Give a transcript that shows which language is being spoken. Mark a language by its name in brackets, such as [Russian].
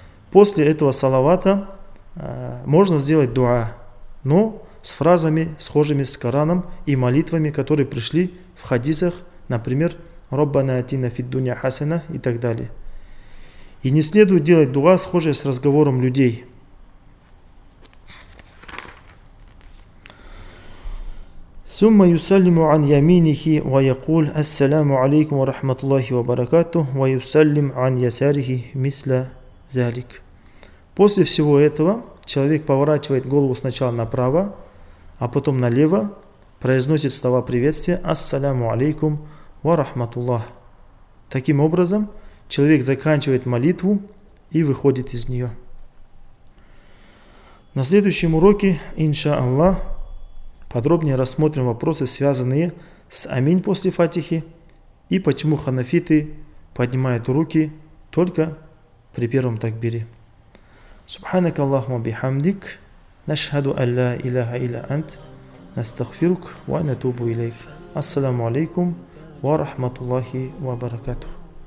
[Russian] После этого салавата можно сделать дуа, но с фразами, схожими с Кораном и молитвами, которые пришли в хадисах, например, [Arabic] «Раббана атина фиддуня хасана» [Russian] и так далее. И не следует делать дуа, схожие с разговором людей. [Arabic] ثم يسلم عن يمينه ويقول السلام عليكم ورحمة الله وبركاته ويسلم عن يساره مثل ذلك. [Russian] После всего этого человек поворачивает голову сначала направо, а потом налево, произносит слова приветствия [Arabic] «Ассаляму алейкум ва рахматуллах». [Russian] Таким образом, человек заканчивает молитву и выходит из нее. На следующем уроке, иншаллах, подробнее рассмотрим вопросы, связанные с «Аминь» после «Фатихи» и почему ханафиты поднимают руки только при первом такбире. [Arabic] سبحانك اللهم بحمدك نشهد أن لا إله إلا أنت نستغفرك ونتوب إليك السلام عليكم ورحمة الله وبركاته